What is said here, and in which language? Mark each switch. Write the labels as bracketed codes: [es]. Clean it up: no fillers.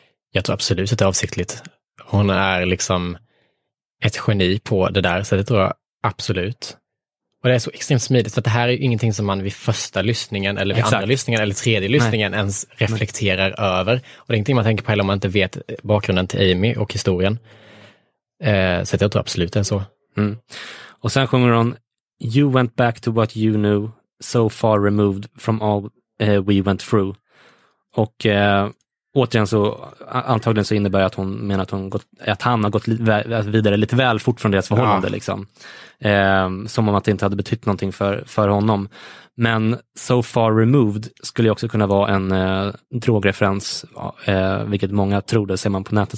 [sv] Jag tror absolut att det är avsiktligt. Hon är liksom ett geni på det där, så det tror jag absolut. Och det är så extremt smidigt, för att det här är ju ingenting som man vid första lyssningen, eller vid andra lyssningen, eller tredje lyssningen ens reflekterar över. Och det är ingenting man tänker på heller om man inte vet bakgrunden till Amy och historien. Så jag tror absolut det är så. Mm. Och sen sjunger hon [en] you went back to what you knew, so far removed from all we went through. [sv] Och återigen så antagligen så innebär det att hon menar att, han har gått vidare lite väl fort från deras förhållande. Ja. Liksom. Som om att det inte hade betytt någonting för honom. Men [en] so far removed [sv] skulle ju också kunna vara en drogreferens, vilket många tror, det ser man på nätet.